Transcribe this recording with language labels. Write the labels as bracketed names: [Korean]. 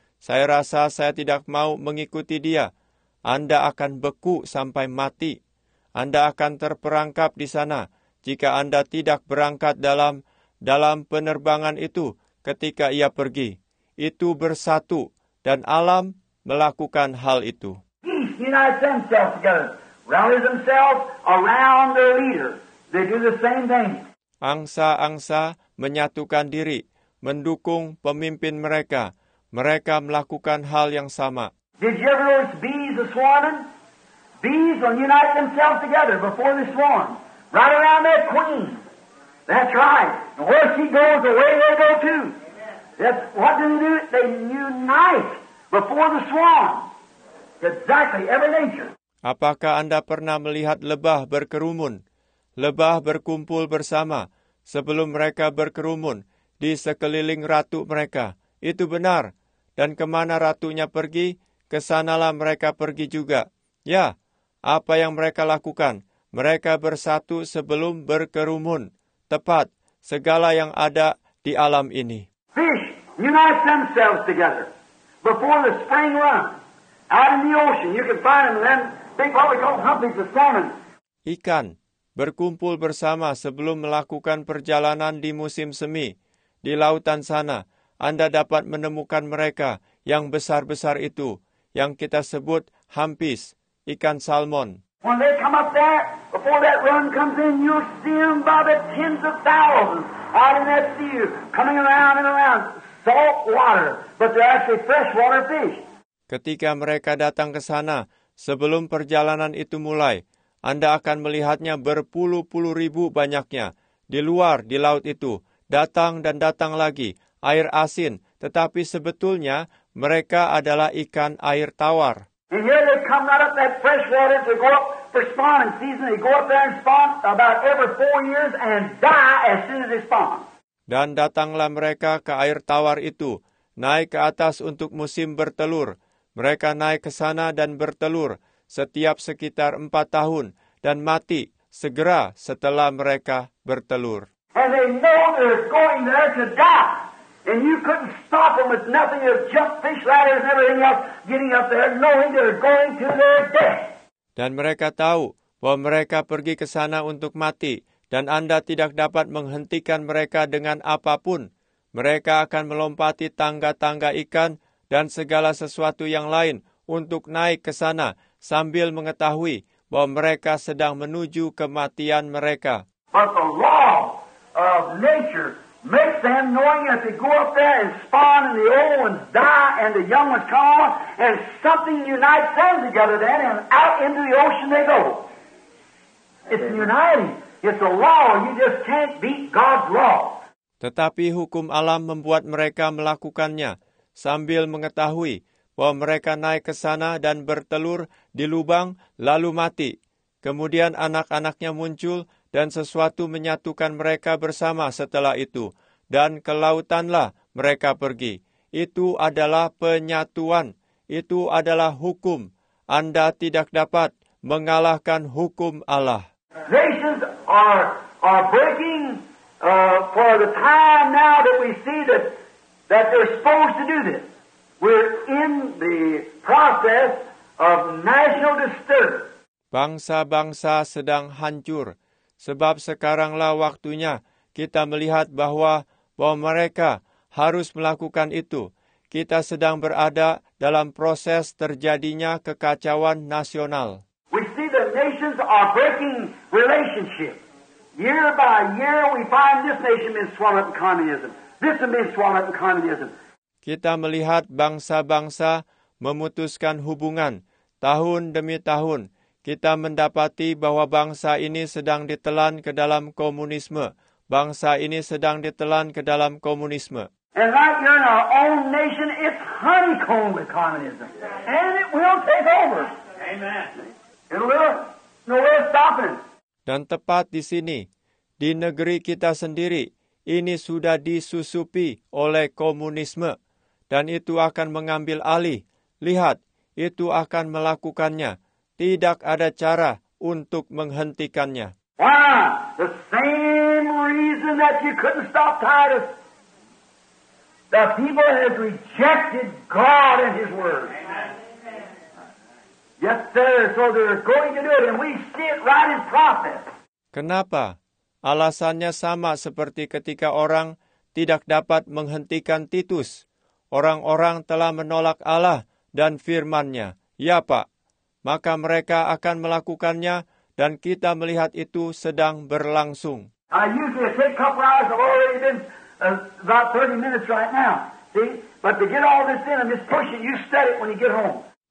[Indonesian] Saya rasa saya tidak mau mengikuti dia. Anda akan beku sampai mati. Anda akan terperangkap di sana jika Anda tidak berangkat dalam penerbangan itu ketika ia pergi. Itu bersatu dan alam melakukan hal itu. [English] He unites themselves together, rallies themselves around their leader. They do the same thing. [Indonesian] Angsa-angsa menyatukan diri, mendukung pemimpin mereka. Mereka melakukan hal yang sama. [English] Did you ever notice bees are swarming? Bees will unite themselves together before they swarm. Right around their queen. That's right. And where she goes, away they go too. That's, what do they do? They unite before the swarm. Exactly, every nature. [Indonesian] Apakah Anda pernah melihat lebah berkerumun? Lebah berkumpul bersama sebelum mereka berkerumun di sekeliling ratu mereka. Itu benar. Dan kemana ratunya pergi, kesanalah mereka pergi juga. Ya, apa yang mereka lakukan? Mereka bersatu sebelum berkerumun. Tepat, segala yang ada di alam ini. [English] Fish unite themselves together before the spring run. Out in the ocean, you can find them and then they probably go hunting for salmon. [Indonesian] Ikan berkumpul bersama sebelum melakukan perjalanan di musim semi di lautan sana. Anda dapat menemukan mereka yang besar-besar itu, yang kita sebut hampis, ikan salmon. [English] When they come up there, before that run comes in, you'll see them by the tens of thousands out in that sea, coming around and around, salt water, but they're actually freshwater fish. [Indonesian] Ketika mereka datang ke sana, Sebelum perjalanan itu mulai, Anda akan melihatnya berpuluh-puluh ribu banyaknya. Di luar, di laut itu, datang dan datang lagi, air asin. Tetapi sebetulnya, mereka adalah ikan air tawar. [English] And here they come right up that fresh water to go up for spawning season. They go up there and spawn about every 4 years and die as soon as they spawn. [Indonesian] Dan datanglah mereka ke air tawar itu, naik ke atas untuk musim bertelur. Mereka naik ke sana dan bertelur setiap sekitar 4 tahun dan mati segera setelah mereka bertelur. [English] And they know they're going there to die. And you couldn't stop them with nothing, you jump fish ladders and everything else, getting up there knowing they're going to their death. [Indonesian] Dan mereka tahu bahwa mereka pergi ke sana untuk mati. Dan Anda tidak dapat menghentikan mereka dengan apapun. Mereka akan melompati tangga-tangga ikan dan segala sesuatu yang lain untuk naik ke sana sambil mengetahui bahwa mereka sedang menuju kematian mereka. [English] But the law of nature makes them knowing that they go up there and spawn and the old ones die and the young ones come on and something unites them together then and out into the ocean they go. It's uniting. It's a law. You just can't beat God's law. [Indonesian] Tetapi hukum alam membuat mereka melakukannya sambil mengetahui bahwa mereka naik ke sana dan bertelur di lubang lalu mati. Kemudian anak-anaknya muncul dan sesuatu menyatukan mereka bersama setelah itu. Dan ke lautanlah mereka pergi. Itu adalah penyatuan. Itu adalah hukum. Anda tidak dapat mengalahkan hukum Allah. [English] Nations are breaking for the time now that we see that they're supposed to do this. We're in the process of national disturbance. [Indonesian] Bangsa-bangsa sedang hancur. Sebab sekaranglah waktunya kita melihat bahwa mereka harus melakukan itu. Kita sedang berada dalam proses terjadinya kekacauan nasional. [English] We see the nations are breaking relationship. Year by year we find this nation being swallowed up in communism. This one being swallowed up in communism. [Indonesian] Kita melihat bangsa-bangsa memutuskan hubungan tahun demi tahun. Kita mendapati bahwa bangsa ini sedang ditelan ke dalam komunisme. Bangsa ini sedang ditelan ke dalam komunisme. [English] And right here in our own nation, it's honeycombed with communism. And it will take over. Amen. It will stop it. [Indonesian] Dan tepat di sini, di negeri kita sendiri, ini sudah disusupi oleh komunisme. Dan itu akan mengambil alih. Lihat, itu akan melakukannya. Tidak ada cara untuk menghentikannya. [English] Why? The same reason that you couldn't stop Titus. The people have rejected God and His Word. Amen. Yes, sir. So they're going to do it, and we see it right in process. [Indonesian] Kenapa? Alasannya sama seperti ketika orang tidak dapat menghentikan Titus. Orang-orang telah menolak Allah dan firman-Nya. Ya, Pak. Maka mereka akan melakukannya dan kita melihat itu sedang berlangsung. [English] Usually take a couple hours. I've already been about 30 minutes right now. See? But to get all this in, I'm just pushing. You study it when you get home.